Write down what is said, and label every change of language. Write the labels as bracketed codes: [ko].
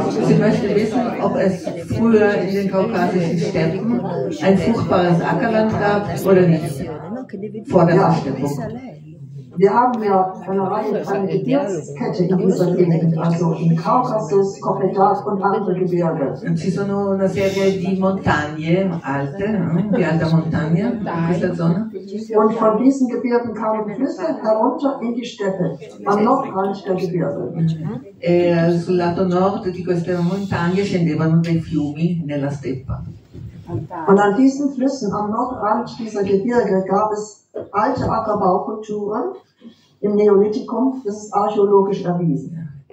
[de] Sie möchte wissen, ob es früher in den kaukasischen Steppen ein fruchtbares Ackerland gab oder nicht? Vor der Abstimmung. Wir haben ja eine Reihe von Gebirgskette in unserem Gebiet, also im Kaukasus, Kopetat und andere Gebirge. [it] Ci sono una serie di montagne alte, di alta montagna in questa zona. [de] Und von diesen Gebirgen kamen Flüsse herunter in die Steppe, am Nordrand der Gebirge. [it] E sul lato nord di queste montagne scendevano dei fiumi nella steppa. [de] Und an diesen Flüssen am Nordrand dieser Gebirge gab es alte Ackerbaukulturen im Neolithikum, das ist archäologisch erwiesen.